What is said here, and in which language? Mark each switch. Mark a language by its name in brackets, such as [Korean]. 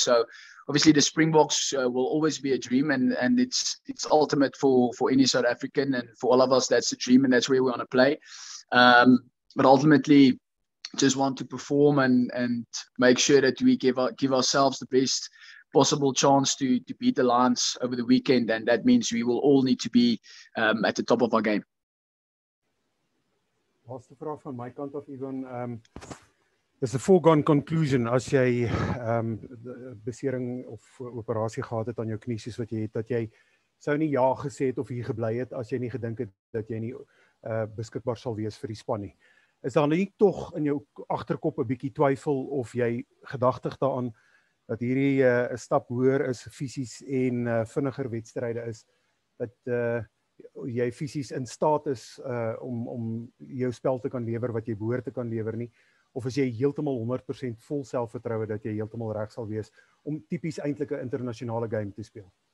[English] So obviously the Springboks will always be a dream and it's ultimate for any South African and for all of us, that's a dream and that's where we want to play. But ultimately, just want to perform and make sure that we give ourselves the best possible chance to beat the Lions over the weekend. And that means we will all need to be at the top of our game. [Afrikaans] Laaste vraag van my kant af, Ivan. Is a foregone conclusion as jy besering of operasie gehad het aan jou knie, soos wat jy het, dat jy sou nie ja gesê het of hier gebly het as jy nie gedink het dat jy nie beskikbaar sal wees vir die span nie. Is daar nie toch in jou agterkop 'n bietjie twyfel of jy gedagtig daaraan dat hierdie 'n stap hoër is fisies en vinniger wedstryde is dat jy fisies in staat is om jou spel te kan lewer wat jy behoort te kan lewer nie of as jy heeltemal 100% vol selfvertroue dat jy heeltemal reg sal wees om tipies eintlik 'n internasionale game te speel.